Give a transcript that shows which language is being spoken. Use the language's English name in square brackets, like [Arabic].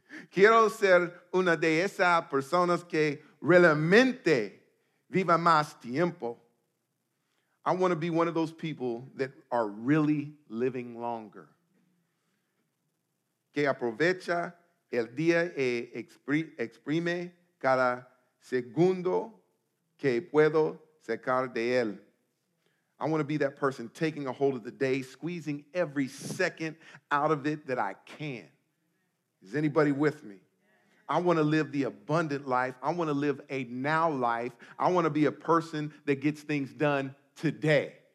[Spanish] Quiero ser una de esas personas que realmente viva más tiempo. [English] I want to be one of those people that are really living longer. [Spanish] Que aprovecha el día y exprime cada segundo que puedo sacar de él. [English] I want to be that person taking a hold of the day, squeezing every second out of it that I can. Is anybody with me? I want to live the abundant life. I want to live a now life. I want to be a person that gets things done today.